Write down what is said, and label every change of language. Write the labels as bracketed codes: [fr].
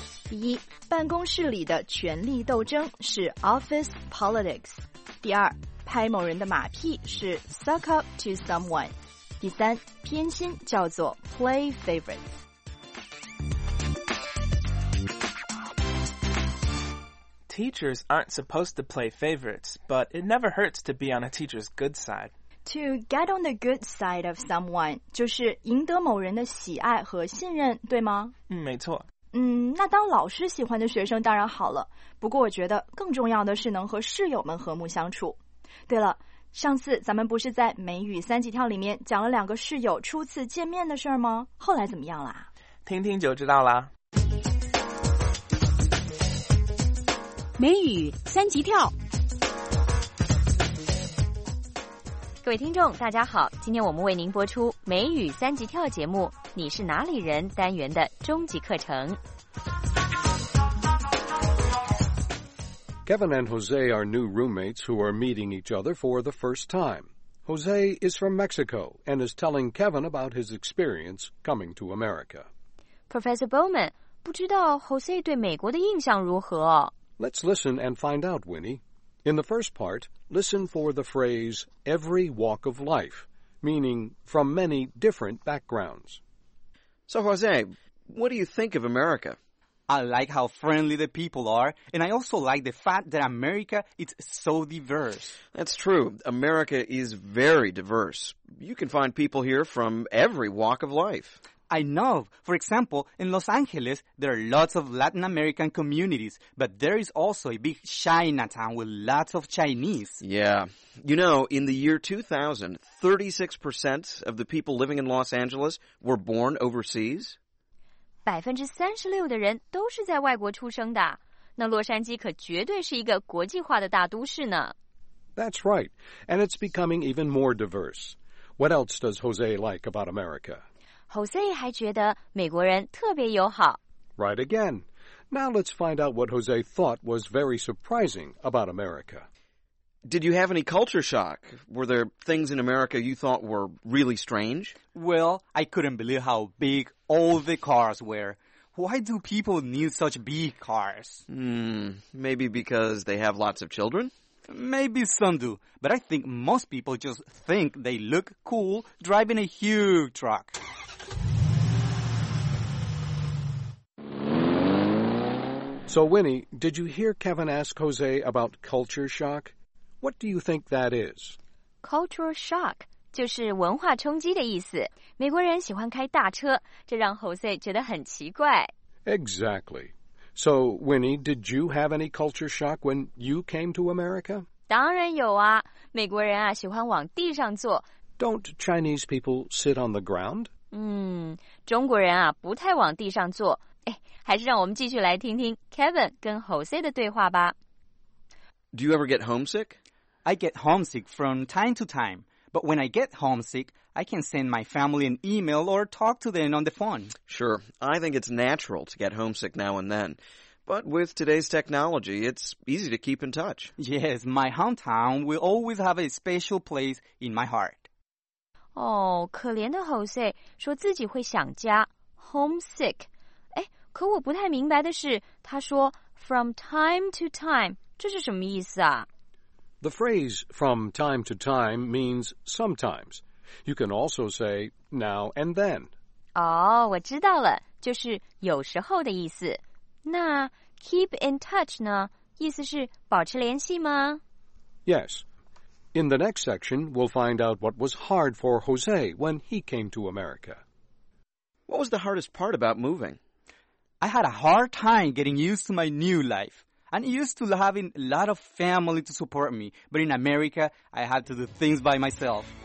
[zh] 第一，办公室里的权力斗争是 [en] office politics。 [zh] 第二，拍某人的马屁是 [en] suck up to someone。 [zh] 第三，偏心叫做 [en] play favorites。 Teachers aren't supposed to play favorites, but it never hurts to be on a teacher's good side. To get on the good side of someone, [zh] 就是赢得某人的喜爱和信任，对吗？没错。那当老师喜欢的学生当然好了，不过我觉得更重要的是能和室友们和睦相处。对了，上次咱们不是在美语三级跳里面讲了两个室友初次见面的事吗？后来怎么样啦？听听就知道啦。美语三级跳，各位听众大家好，今天我们为您播出美语三级跳节目你是哪里人单元的终极课程。 [en] Kevin and Jose are new roommates who are meeting each other for the first time. Jose is from Mexico and is telling Kevin about his experience coming to America. [zh] Professor Bowman, 不知道 Jose 对美国的印象如何？ [en] Let's listen and find out, Winnie. In the first part,Listen for the phrase, every walk of life, meaning from many different backgrounds. So, Jose, what do you think of America? I like how friendly the people are, and I also like the fact that America is so diverse. That's true. America is very diverse. You can find people here from every walk of life. I know. For example, in Los Angeles, there are lots of Latin American communities, but there is also a big Chinatown with lots of Chinese. Yeah. You know, in the year 2000, 36% of the people living in Los Angeles were born overseas. [zh] 36% 的人都是在外国出生的。那洛杉矶可绝对是一个国际化的大都市呢。 [en] That's right. And it's becoming even more diverse. What else does Jose like about America? [zh] Jose 还觉得美国人特别友好。 [en] Right again. Now let's find out what Jose thought was very surprising about America. Did you have any culture shock? Were there things in America you thought were really strange? Well, I couldn't believe how big all the cars were. Why do people need such big cars? Maybe because they have lots of children? Maybe some do, but I think most people just think they look cool driving a huge truck. So, Winnie, did you hear Kevin ask Jose about culture shock? What do you think that is? [zh] Culture shock 就是文化冲击的意思。美国人喜欢开大车，这让 Jose 觉得很奇怪。 [en] Exactly. So, Winnie, did you have any culture shock when you came to America? [zh] 当然有啊。美国人啊，喜欢往地上坐。 [en] Don't Chinese people sit on the ground? [zh] 中国人啊，不太往地上坐。还是让我们继续来听听 Kevin 跟 Jose 的对话吧。 [en] Do you ever get homesick? I get homesick from time to time. But when I get homesick, I can send my family an email or talk to them on the phone. Sure. I think it's natural to get homesick now and then. But with today's technology, it's easy to keep in touch. Yes, my hometown will always have a special place in my heart. [zh] Oh, 可怜的 Jose 说自己会想家 homesick. 可我不太明白的是他说 [en] from time to time, [zh] 这是什么意思啊? [en] The phrase from time to time means sometimes. You can also say now and then. [zh] 哦,我知道了,就是有时候的意思。那 [en] keep in touch [zh] 呢? 意思是保持联系吗? [en] Yes. In the next section, we'll find out what was hard for Jose when he came to America. What was the hardest part about moving? I had a hard time getting used to my new life. I'm used to having a lot of family to support me, but in America, I had to do things by myself.